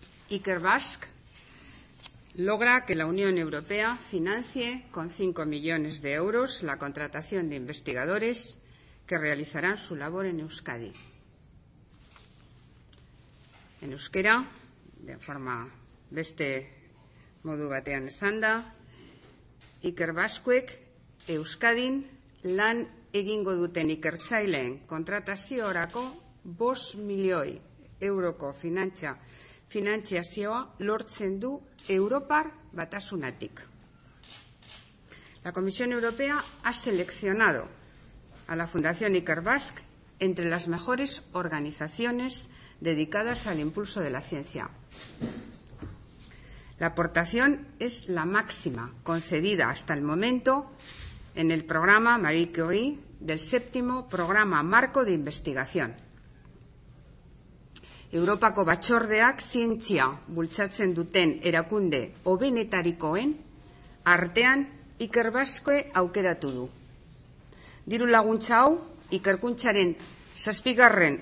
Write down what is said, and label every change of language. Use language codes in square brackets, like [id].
[es] Iker Basch logra que la Unión Europea financie con 5 millones de euros la contratación de investigadores que realizarán su labor en Euskadi. En euskera, de forma [eu] beste modu batean esanda, Iker Baskuek Euskadin lan egingo duten ikertzaileen kontratasiorako 5 milioi euroko finantziazioa lortzen du Europar Batasunatik. [es] La Comisión Europea ha seleccionado a la Fundación Iker Basch entre las mejores organizaciones dedicadas al impulso de la ciencia. La aportación es la máxima concedida hasta el momento en el programa Marie Curie del séptimo programa marco de investigación. [eu] Europako batxordeak zientzia bultzatzen duten erakunde hobenetarikoen artean Iker Baskue aukeratu du. Diru laguntza hau ikerkuntzaren 7.